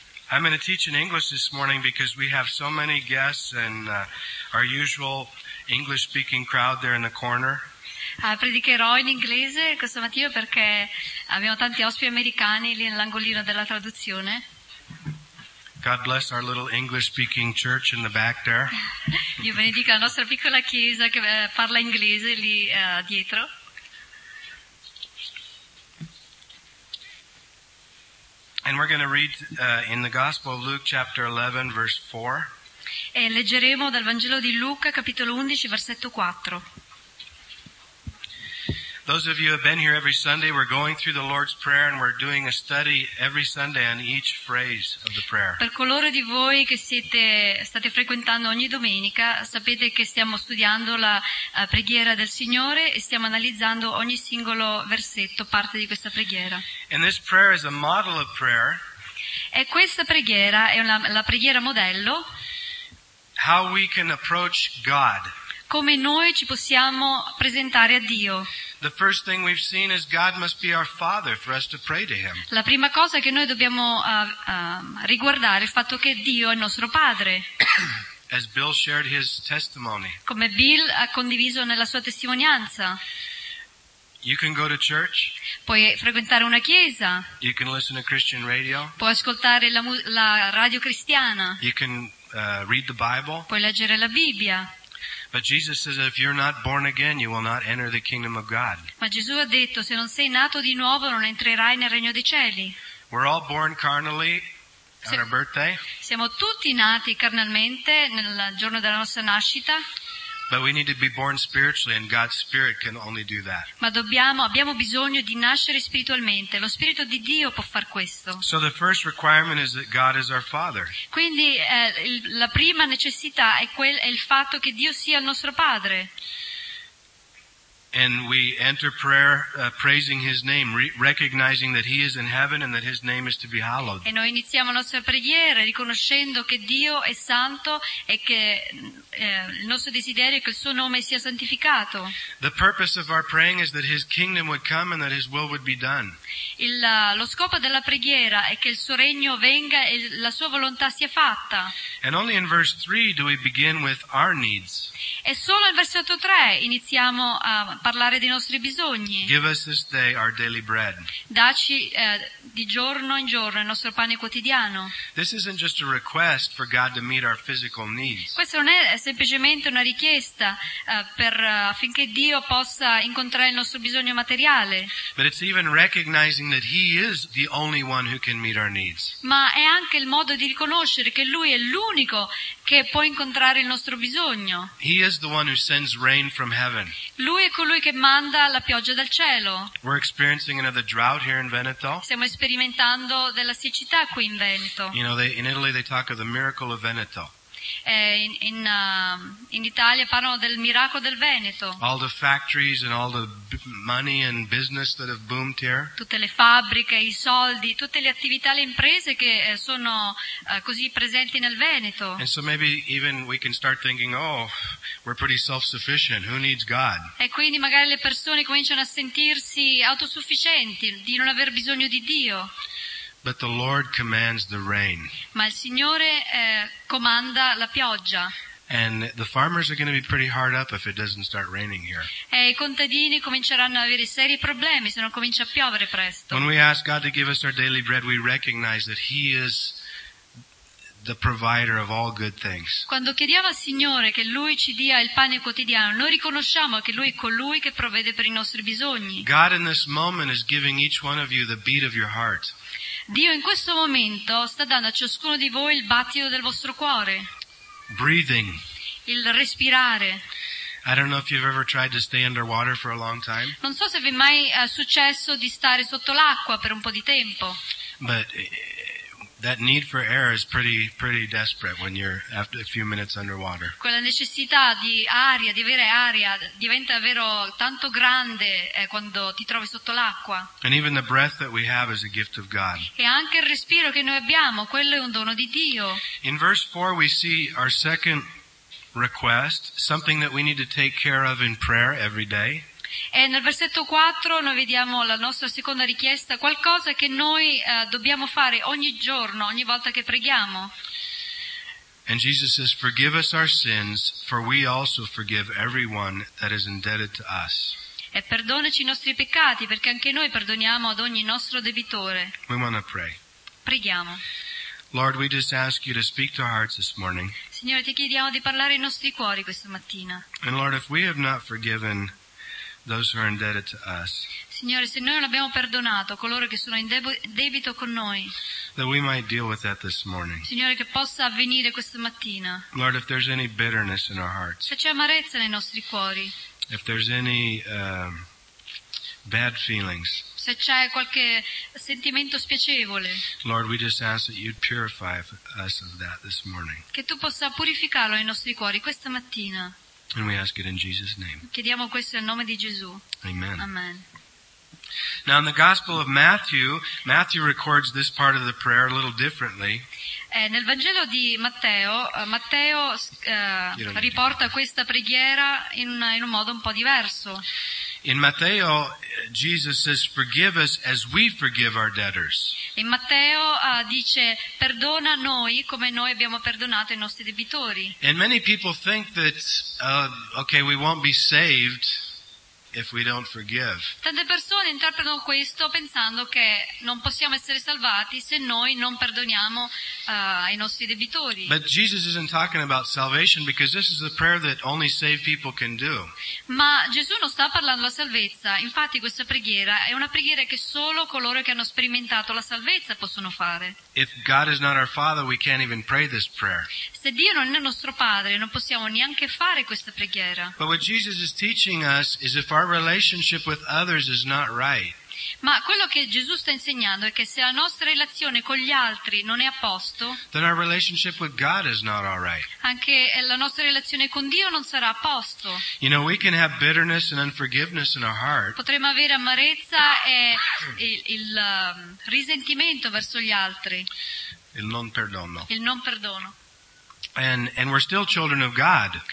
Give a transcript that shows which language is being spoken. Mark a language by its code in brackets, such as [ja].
[en] I'm going to teach in English this morning because we have so many guests and our usual English-speaking crowd there in the corner. [it] Predicherò in inglese questa mattina perché abbiamo tanti ospiti americani lì nell'angolino della traduzione. [en] God bless our little English-speaking church in the back there. [it] Dio benedica la nostra piccola chiesa che parla inglese lì dietro. [en] And we're going to read in the Gospel of Luke chapter 11 verse 4. [it] E leggeremo dal Vangelo di Luca capitolo 11 versetto 4. [en] Those of you who have been here every Sunday, we're going through the Lord's Prayer and we're doing a study every Sunday on each phrase of the prayer. [it] Per coloro di voi che siete state frequentando ogni domenica, sapete che stiamo studiando la preghiera del Signore e stiamo analizzando ogni singolo versetto, parte di questa preghiera. [en] And this prayer is a model of prayer. [it] E questa preghiera è la preghiera modello. [en] How we can approach God. [it] Come noi ci possiamo presentare a Dio. [en] The first thing we've seen is God must be our Father for us to pray to Him. [it] La prima cosa che noi dobbiamo riguardare è il fatto che Dio è il nostro Padre. [en] As Bill shared his testimony. [it] Come Bill ha condiviso nella sua testimonianza. [en] You can go to church. [it] Puoi frequentare una chiesa. [en] You can listen to Christian radio. [it] Puoi ascoltare la radio cristiana. [en] You can read the Bible. [it] Puoi leggere la Bibbia. [en] But Jesus says if you're not born again you will not enter the kingdom of God. [it] Ma Gesù ha detto se non sei nato di nuovo non entrerai nel regno dei cieli. [en] We're all born carnally on our birthday. [it] Siamo tutti nati carnalmente nel giorno della nostra nascita. [en] But we need to be born spiritually and God's spirit can only do that. [it] Ma abbiamo bisogno di nascere spiritualmente, lo spirito di Dio può far questo. [en] So the first requirement is that God is our Father. [it] Quindi la prima necessità è il fatto che Dio sia il nostro padre. [en] And we enter prayer praising his name, recognizing that he is in heaven and that his name is to be hallowed. [it] E noi iniziamo la nostra preghiera riconoscendo che Dio è santo e che il nostro desiderio è che il suo nome sia santificato. [en] The purpose of our praying is that his kingdom would come and that his will would be done. [it] Lo scopo della preghiera è che il suo regno venga e la sua volontà sia fatta. [en] And only in verse 3 do we begin with our needs. [it] E solo in versetto 3 iniziamo a parlare dei nostri bisogni. [en] Give us this day our daily bread. [it] Dacci di giorno in giorno il nostro pane quotidiano. [en] This isn't just a request for God to meet our physical needs. [it] Questa non è semplicemente una richiesta affinché Dio possa incontrare il nostro bisogno materiale. [en] But it's even recognizing that He is the only one who can meet our needs. [it] Ma è anche il modo di riconoscere che Lui è l'unico che può incontrare il nostro bisogno. [en] He is the one who sends rain from heaven. [it] Lui è colui che manda la pioggia dal cielo. [en] We're experiencing another drought here in Veneto. [it] Stiamo sperimentando della siccità qui in Veneto. [en] You know, in Italy they talk of the miracle of Veneto. [it] In Italia parlano del miracolo del Veneto. [en] All the factories and all the money and business that have boomed here. [it] Tutte le fabbriche, i soldi, tutte le attività, le imprese che sono così presenti nel Veneto. [en] And so maybe even we can start thinking, oh, we're pretty self-sufficient. Who needs God? [it] E quindi magari le persone cominciano a sentirsi autosufficienti, di non aver bisogno di Dio. [en] But the Lord commands the rain. [it] Ma il Signore comanda la pioggia. [en] And the farmers are going to be pretty hard up if it doesn't start raining here. [it] E i contadini cominceranno ad avere seri problemi se non comincia a piovere presto. [en] When we ask God to give us our daily bread, we recognize that He is the provider of all good things. [it] Quando chiediamo al Signore che Lui ci dia il pane quotidiano, noi riconosciamo che Lui è colui che provvede per i nostri bisogni. [en] God in this moment is giving each one of you the beat of your heart. [it] Dio in questo momento sta dando a ciascuno di voi il battito del vostro cuore. [en] Breathing. [it] Il respirare. [en] I don't know if you've ever tried to stay underwater for a long time. [it] Non so se vi è mai successo di stare sotto l'acqua per un po' di tempo. [en] But That need for air is pretty desperate when you're after a few minutes underwater. [it] Quella necessità di aria, di avere aria, diventa davvero tanto grande quando ti trovi sotto l'acqua. [en] And even the breath that we have is a gift of God. [it] E anche il respiro che noi abbiamo, quello è un dono di Dio. [en] In verse 4 we see our second request, something that we need to take care of in prayer every day. [it] E nel versetto 4 noi vediamo la nostra seconda richiesta, qualcosa che noi dobbiamo fare ogni giorno, ogni volta che preghiamo. [en] And Jesus says, "Forgive us our sins, for we also forgive everyone that is indebted to us." [it] E perdonaci i nostri peccati, perché anche noi perdoniamo ad ogni nostro debitore. [en] We want to pray. [it] Preghiamo. [en] Lord, we just ask you to speak to our hearts this morning. [it] Signore, ti chiediamo di parlare ai nostri cuori questa mattina. [en] And Lord, if we have not forgiven those who are indebted to us, [it] Signore, se noi non abbiamo perdonato coloro che sono in debito con noi, [en] that we might deal with that this morning. [it] Signore, che possa avvenire questa mattina. [en] Lord, if there's any bitterness in our hearts, [it] se c'è amarezza nei nostri cuori, [en] if there's any bad feelings, [it] se c'è qualche sentimento spiacevole, [en] Lord, we just ask that you'd purify us of that this morning. [it] Che tu possa purificarlo nei nostri cuori questa mattina. [en] And we ask it in Jesus' name. [it] Chiediamo questo nel nome di Gesù. [en] Amen. [it] Amen. [en] Now in the Gospel of Matthew, Matthew records this part of the prayer a little differently. [it] Nel Vangelo di Matteo, Matteo riporta questa preghiera in un modo un po' diverso. [en] In Matteo, Jesus says, "Forgive us as we forgive our debtors." [it] In Matteo dice, "Perdona noi come noi abbiamo perdonato i nostri debitori." [en] And many people think that, okay, we won't be saved if we don't forgive. [it] Tante persone interpretano questo pensando che non possiamo essere salvati se noi non perdoniamo ai nostri debitori. [en] But Jesus isn't talking about salvation because this is a prayer that only saved people can do. [it] Ma Gesù non sta parlando della salvezza, infatti questa preghiera è una preghiera che solo coloro che hanno sperimentato la salvezza possono fare. [en] If God is not our Father, we can't even pray this prayer. [it] Se Dio non è nostro padre, non possiamo neanche fare questa preghiera. [en] But what Jesus is teaching us is if our relationship with others is not right. [it] Ma quello che Gesù sta insegnando è che se la nostra relazione con gli altri non è a posto, [en] then our relationship with God is not all right. [it] Anche la nostra relazione con Dio non sarà a posto. [en] You know, we can have bitterness and unforgiveness in our heart. [it] Potremmo avere amarezza e il risentimento verso gli altri. Il non perdono. Il non perdono. [en] And we're still children of God.